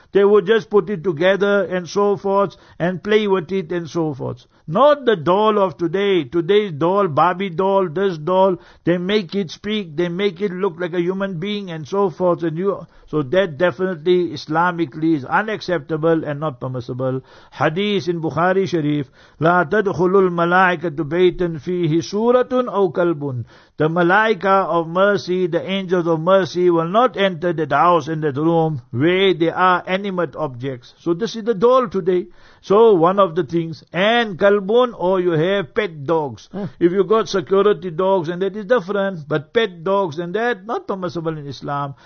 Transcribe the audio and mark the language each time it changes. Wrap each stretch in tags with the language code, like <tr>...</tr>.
<en>They would just put it together and so forth and play with it and so forth. Not the doll of today. Today's doll, Barbie doll, this doll, they make it speak, they make it look like a human being and so forth. And you, so that definitely Islamically is unacceptable and not permissible. Hadith in Bukhari Sharif,</en> <ar>لا تدخل الملائكة بيتا فيه سورة أو كلب.</ar> <en>The Malaika of mercy, the angels of mercy will not enter that house and that room where there are animate objects. So this is the doll today. So one of the things, and kalbun, or you have pet dogs. If you got security dogs, and that is different, but pet dogs and that, not permissible in Islam.</en>